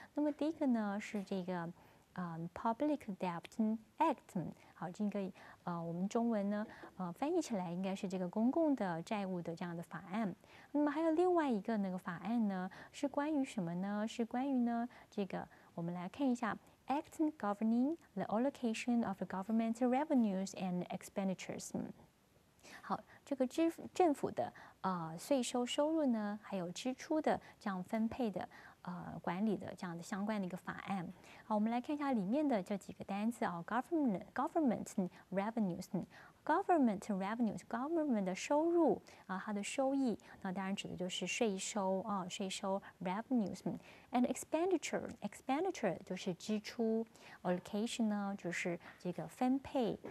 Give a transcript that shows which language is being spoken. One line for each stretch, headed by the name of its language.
Chinese: 那么第一个呢是这个Public Debt Act， 好，这个我们中文呢翻译起来应该是这个公共的债务的这样的法案。那么还有另外一个那个法案呢是关于什么呢？是关于呢这个我们来看一下。
English: Act governing the allocation of government revenues and expenditures.
Chinese: 好，这个政府的税收收入呢，还有支出的这样分配的管理的这样的相关的一个法案。好，我们来看一下里面的这几个单词啊、哦、government revenues。
English: Government revenues,
Chinese: government 的收入啊，它的收益，那当然指的就是税收啊，税收
English: revenues, and expenditure
Chinese: 就是支出 ，allocation 呢就是这个分配。